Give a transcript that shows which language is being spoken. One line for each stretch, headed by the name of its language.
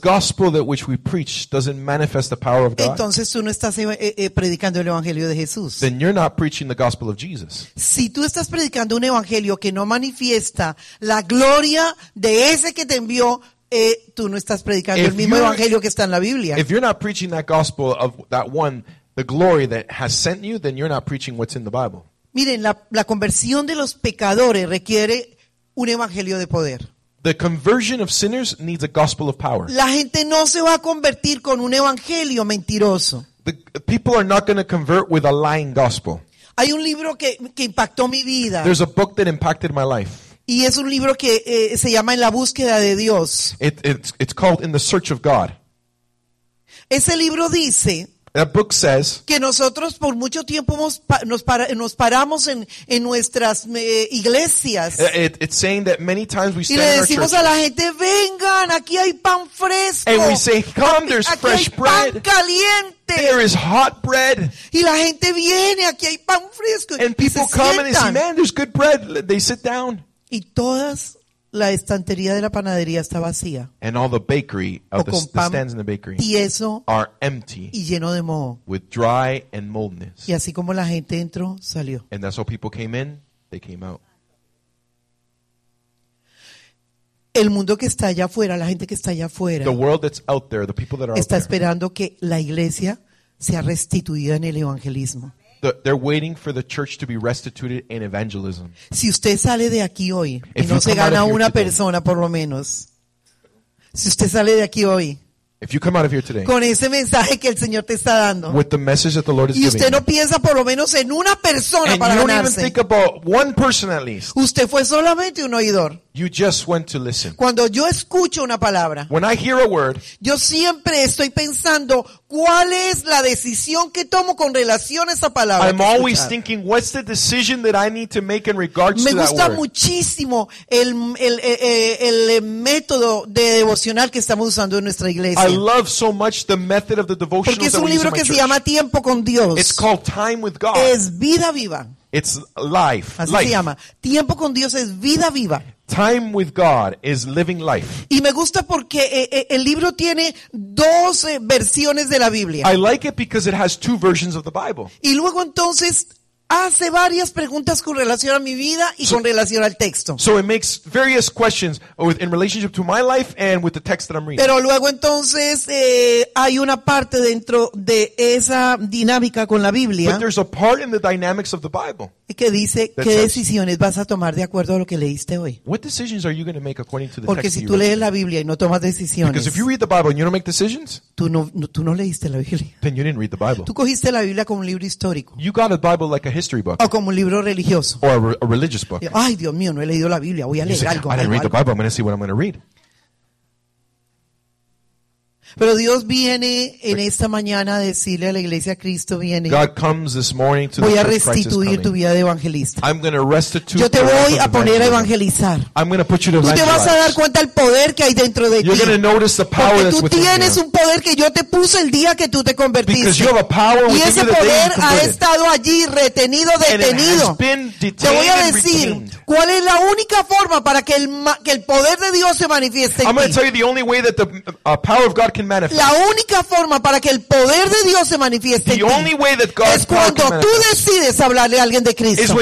English: the gospel that which we preach doesn't manifest the power of God,
Spanish: entonces tú no estás predicando el evangelio de Jesús.
English: Then you're not preaching the gospel of Jesus.
Spanish: Si tú estás predicando un evangelio que no manifiesta la gloria de ese que te envió, tú no estás predicando el mismo evangelio que está en la Biblia.
English: If you're not preaching that gospel of that one, the glory that has sent you, then you're not preaching what's in the Bible.
Spanish: Miren, la conversión de los pecadores requiere un evangelio de poder.
English: The conversion of sinners needs a gospel of power.
Spanish: La gente no se va a convertir con un evangelio mentiroso.
English: The people are not going to convert with a lying gospel.
Spanish: Hay un libro que impactó mi vida.
English: There's a book that impacted my life.
Spanish: Y es un libro que se llama En la búsqueda de Dios.
English: It's called In the Search of God.
Spanish: Ese libro dice,
English: that book says,
Spanish: que nosotros por mucho tiempo nos paramos en nuestras iglesias.
English: It's saying that many times we stand in our churches.
Spanish: Y le decimos a la gente, vengan, aquí hay pan fresco.
English: And we say, come, there's
Spanish: aquí
English: fresh
Spanish: hay
English: bread.
Spanish: Pan caliente.
English: There is hot bread.
Spanish: Y la gente viene, aquí hay pan fresco.
English: And people come
Spanish: sientan.
English: And they say, man, there's good bread. They sit down.
Spanish: Y todas la estantería de la panadería está vacía.
English: And all the bakery, the stands in the bakery,
Spanish: tieso,
English: are empty,
Spanish: y lleno de moho.
English: With dry and moldness.
Spanish: Y así como la gente entró, salió.
English: And that's how people came in, they came out.
Spanish: El mundo que está allá afuera, la gente que está allá afuera,
English: the world that's out there, the people that are
Spanish: está esperando que la iglesia sea restituida en el evangelismo.
English: They're waiting for the church to be restituted in evangelism.
Spanish: Si usted sale de aquí hoy y no se gana una persona por lo menos, si usted sale de aquí hoy,
English: if you come out of here today,
Spanish: con ese mensaje que el Señor te está dando,
English: with the message that the Lord is giving,
Spanish: y usted no piensa por lo menos en una persona para ganarse,
English: and you don't even think about one person at least,
Spanish: usted fue solamente un oidor.
English: You just went to listen.
Spanish: Cuando yo escucho una palabra,
English: when I hear a word,
Spanish: yo siempre estoy pensando cuál es la decisión que tomo con relación a esa palabra.
English: I'm always thinking what's the decision that I need to make in regards to that word.
Spanish: Me gusta muchísimo el método de devocional que estamos usando en nuestra iglesia.
English: I love so much the method of the devotional.
Spanish: Porque es un libro que se llama Tiempo con Dios.
English: It's called Time with God.
Spanish: Es vida viva.
English: It's life.
Spanish: Así
English: life.
Spanish: Se llama. Tiempo con Dios es vida viva.
English: Time with God is living life.
Spanish: Y me gusta porque el libro tiene dos versiones de la Biblia.
English: I like it because it has two versions of the Bible.
Spanish: Y luego entonces hace varias preguntas con relación a mi vida y con relación al texto.
English: So it makes various questions in relationship to my life and with the text that I'm reading.
Spanish: Pero luego entonces hay una parte dentro de esa dinámica con la Biblia.
English: But there's a part in the dynamics of the Bible.
Spanish: Que dice qué decisiones vas a tomar de acuerdo a lo que leíste hoy.
English: What decisions are you going to make according to the text?
Spanish: Porque si tú lees la Biblia y no tomas decisiones.
English: Because if you read the Bible and you don't make decisions.
Spanish: Tú no leíste la Biblia.
English: Then you didn't read the Bible.
Spanish: Tú cogiste la Biblia como un libro histórico.
English: You got a Bible like a history book.
Spanish: O como un libro religioso.
English: Or a religious book.
Spanish: Ay, Dios mío, no he leído la Biblia. Voy a leer algo.
English: I didn't read the Bible. I'm going to see what I'm going to read.
Spanish: Pero Dios viene en esta mañana a decirle a la iglesia, Cristo viene.
English: God comes this morning to the
Spanish: voy a restituir tu vida de evangelista.
English: I'm going to restitute.
Spanish: Yo te voy a poner a evangelizar.
English: I'm going to put you to evangelize.
Spanish: Tú te vas a dar cuenta del poder que hay dentro de ti.
English: You're going to notice the power that's within you.
Spanish: Porque tú tienes un poder que yo te puse el día que tú te convertiste.
English: Because you have a power within you.
Spanish: Y ese poder ha estado allí retenido, detenido. Te voy a decir cuál es la única forma para que el poder de Dios se manifieste en ti.
English: I'm going to tell you the only way that the power of God can manifest.
Spanish: La única forma para que el poder de Dios se manifieste en ti es cuando tú decides hablarle a alguien de Cristo.